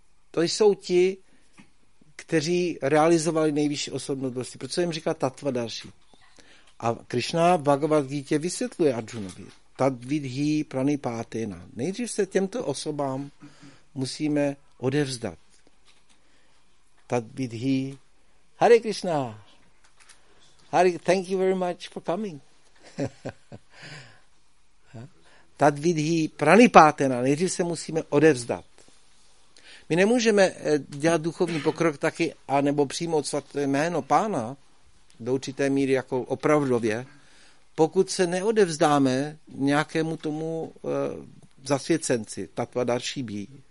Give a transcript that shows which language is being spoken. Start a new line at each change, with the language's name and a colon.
Czech: To jsou ti, kteří realizovali nejvyšší osobnost vlastně. Proč jim říká tatva darší? A Krishna Bhagavad Gita vysvětluje Arjunovi,
Sanskrit: tadvidhi pranipatena.
Czech: Nejdřív se těmto osobám musíme odevzdat.
Sanskrit: Tadvidhi. Hare Krishna.
English: Hare, thank you very much for coming.
Sanskrit: Tadvidhi pranipatena.
Czech: Nejdřív se musíme odevzdat. My nemůžeme dělat duchovní pokrok taky, anebo přijmout svaté jméno pána do určité míry jako opravdově, pokud se neodevzdáme nějakému tomu zasvěcenci, tatva darší bí.